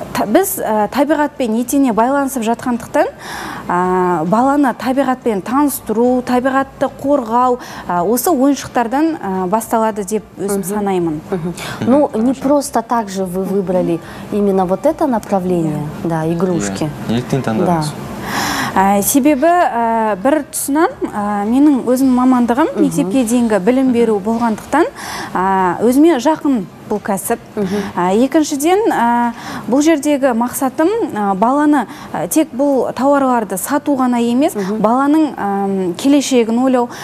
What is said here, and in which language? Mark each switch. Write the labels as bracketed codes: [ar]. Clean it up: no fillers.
[kk] Біз табиғатпен етене байланысып жатқандықтан, баланы табиғатпен таныстыру, табиғатты қорғау осы ойыншықтардан басталады деп өзім санаймын. [ru] Ну, не просто так же вы выбрали именно вот это направление, да, игрушки. [kk] Еліктен таңдадыңыз. Себебі бір тұсынан менің өзім мамандығым мектепке дейінгі білім беру болғандықтан өзіме жақын бұл кәсіп. Екіншіден бұл жердегі мақсатым баланы тек бұл тауарларды сату ғана емес, баланың келешегін ойлау.